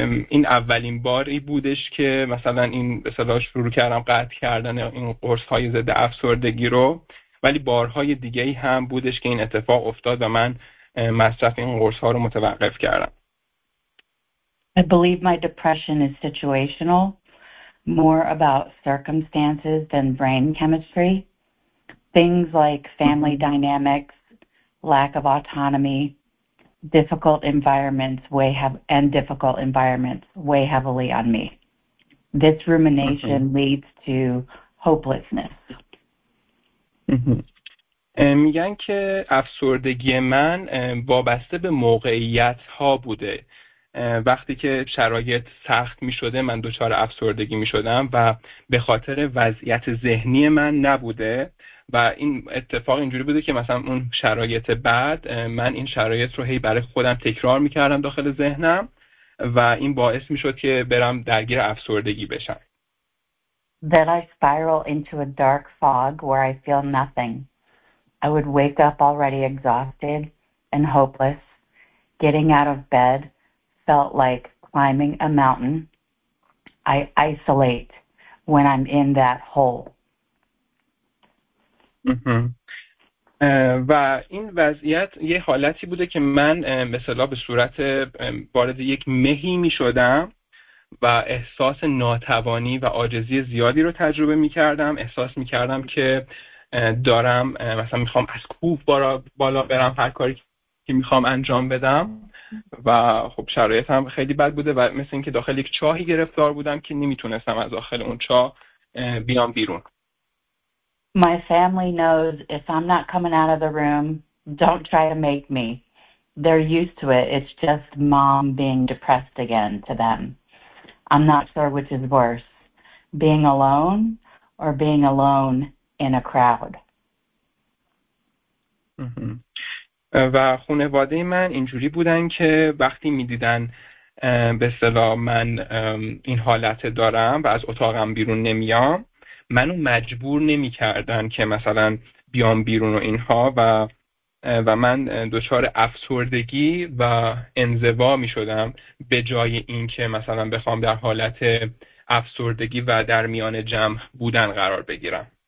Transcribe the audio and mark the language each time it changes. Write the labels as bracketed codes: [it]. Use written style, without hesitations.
[fa] این اولین باری بودش که مثلا این به اصطلاح شروع کردم قطع کردن این قرص های ضد افسردگی رو، ولی بارهای دیگه ای هم بودش که این اتفاق افتاد و من مصرف این قرص ها رو متوقف کردم. [en] I believe my depression is situational, more about circumstances than brain chemistry. Things like family dynamics, lack of autonomy, difficult environments weigh heavily on me. This rumination leads to hopelessness. [fa] میگن که افسردگی من وابسته به موقعیت ها بوده. وقتی که شرایط سخت می شده من دچار افسردگی می شدم و به خاطر وضعیت ذهنی من نبوده و این اتفاق اینجوری بوده که مثلا اون شرایط بعد من این شرایط رو هی برای خودم تکرار می کردم داخل ذهنم و این باعث می شد که برم درگیر افسردگی بشم. [en] Then I spiral into a dark fog where I feel nothing. I would wake up already exhausted and hopeless. Getting out of bed felt like climbing a mountain. I isolate when I'm in that hole. [fa] و این وضعیت یه حالتی بوده که من مثلا به صورت وارد یک مهی می شدم و احساس ناتوانی و عاجزی زیادی رو تجربه می کردم. احساس می کردم که دارم مثلا می خوام از کوه بالا برم، هر کاری که می خوام انجام بدم و خب شرایطم خیلی بد بوده و مثل اینکه داخل یک چاهی گرفتار بودم که نمی تونستم از داخل اون چاه بیام بیرون. [en] My family knows if I'm not coming out of the room, don't try to make me. They're used to it. It's just mom being depressed again to them. I'm not sure which is worse, being alone or being alone in a crowd. [fa] و خانواده من اینجوری بودن که وقتی میدیدن به اصطلاح من این حالت دارم و از اتاقم بیرون نمیام، منو مجبور نمی کردن که مثلا بیام بیرون و اینها و من دچار افسردگی و انزوا می شدم به جای این که مثلا بخوام در حالت افسردگی و در میان جمع بودن قرار بگیرم.